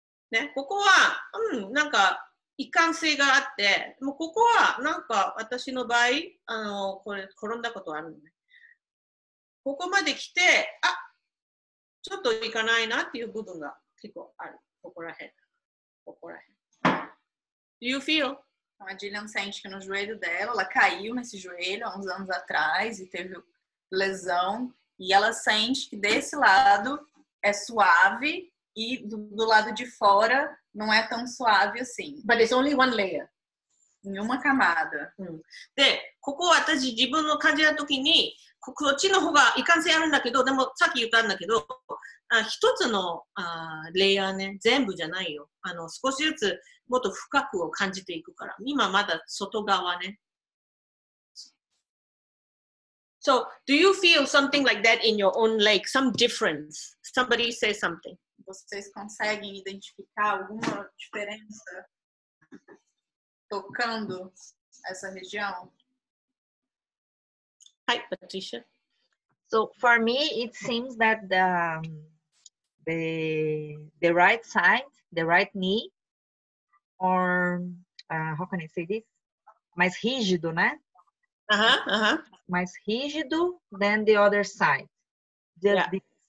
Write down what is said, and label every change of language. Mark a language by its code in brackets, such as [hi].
[ja] ね、 ここは、 なんか、 一貫性があって、もうここはなんか私の場合、あの、これ転んだことあるのね。ここまで来て、あ、ちょっといかないなっていう部分が結構ある。ここら辺。ここら辺。 [en] Do you feel? [pt] A Jillian sente que no joelho dela, ela caiu nesse joelho há uns anos atrás e teve lesão. E ela sente que desse lado é suave e do lado de fora não é tão suave assim. [en] But it's only one layer. [pt] Em uma camada. [ja] De, ここ私自分の感じた時に、こっちの方が一貫性あるんだけど、でもさっき言ったんだけど、一つのレイヤーね、全部じゃないよ。あの、少しずつもっと深くを感じていくから。今まだ外側ね。 [en] So, do you feel something like that in your own leg? Some difference? Somebody say something. [pt] Vocês conseguem identificar alguma diferença tocando essa região? [en] Hi, Patricia. So, for me, it seems that the right side, the right knee, or how can I say this? [pt] Mais rígido, né? Mais rígido [en] than the other side. Just yeah. This.